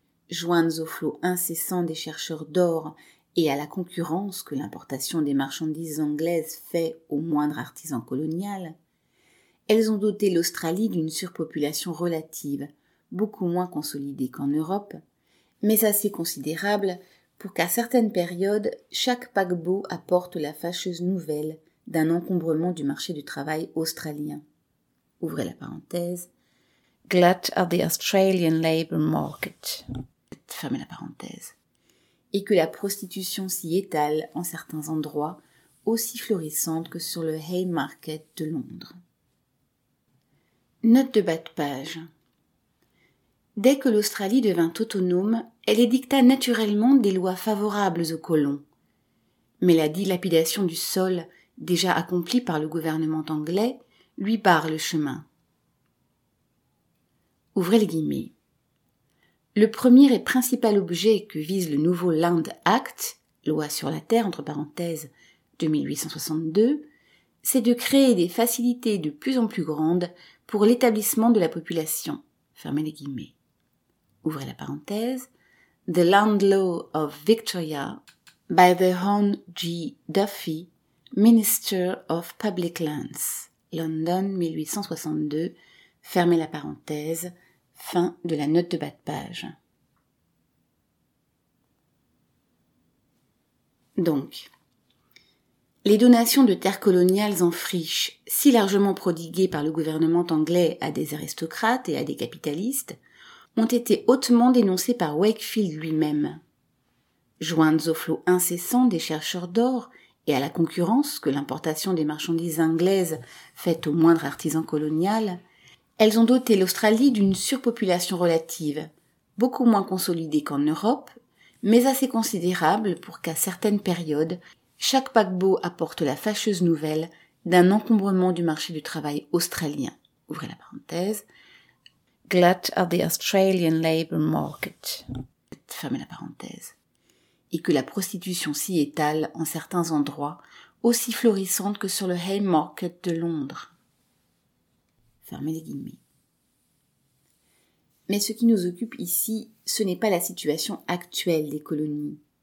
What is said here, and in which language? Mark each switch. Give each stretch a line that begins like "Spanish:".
French: Jointes au flot incessant des chercheurs d'or et à la concurrence que l'importation des marchandises anglaises fait au moindre artisan colonial, elles ont doté l'Australie d'une surpopulation relative, beaucoup moins consolidée qu'en Europe, mais assez considérable pour qu'à certaines périodes, chaque paquebot apporte la fâcheuse nouvelle d'un encombrement du marché du travail australien. Ouvrez la parenthèse.
English: Glut of the Australian Labour Market.
French: Fermez la parenthèse. Et que la prostitution s'y étale en certains endroits, aussi florissante que sur le Haymarket de Londres. Note de bas de page. Dès que l'Australie devint autonome, elle édicta naturellement des lois favorables aux colons. Mais la dilapidation du sol, déjà accomplie par le gouvernement anglais, lui barre le chemin. Ouvrez les guillemets. Le premier et principal objet que vise le nouveau Land Act, loi sur la terre, entre parenthèses, de 1862, c'est de créer des facilités de plus en plus grandes pour l'établissement de la population. Fermez les guillemets. Ouvrez la parenthèse.
English: The Land Law of Victoria by the Hon. G. Duffy, Minister of Public Lands, London, 1862.
French: Fermez la parenthèse. Fin de la note de bas de page. Donc, les donations de terres coloniales en friche, si largement prodiguées par le gouvernement anglais à des aristocrates et à des capitalistes, ont été hautement dénoncées par Wakefield lui-même. Jointes au flot incessant des chercheurs d'or et à la concurrence que l'importation des marchandises anglaises fait au moindre artisan colonial, elles ont doté l'Australie d'une surpopulation relative, beaucoup moins consolidée qu'en Europe, mais assez considérable pour qu'à certaines périodes, chaque paquebot apporte la fâcheuse nouvelle d'un encombrement du marché du travail australien. Ouvrez la parenthèse.
English: Glut of the Australian Labour Market.
French: Fermez la parenthèse. Et que la prostitution s'y étale en certains endroits, aussi florissante que sur le Haymarket de Londres. Fermez les guillemets. Mais ce qui nous occupe ici, ce n'est pas la situation actuelle des colonies.